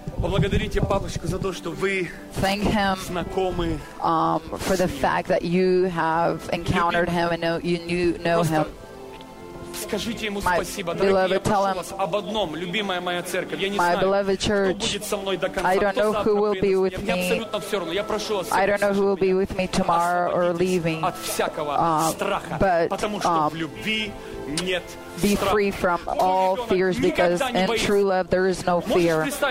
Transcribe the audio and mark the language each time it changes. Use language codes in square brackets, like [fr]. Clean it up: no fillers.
[ru] Поблагодарите папочку за то, что вы знакомы. [en] For the fact that you have encountered him and you knew him. [ru] Скажите ему спасибо, дорогие. Я прошу вас об одном, любимая моя церковь. Я не знаю, кто будет со мной до конца. [en] I don't know who will be with me. [ru] Мне абсолютно все равно. Я прошу вас. [en] I don't know who will be with me tomorrow or leaving. [ru] От всякого страха, потому что в любви нет. [en] Be free from all fears, because in true love there is no fear.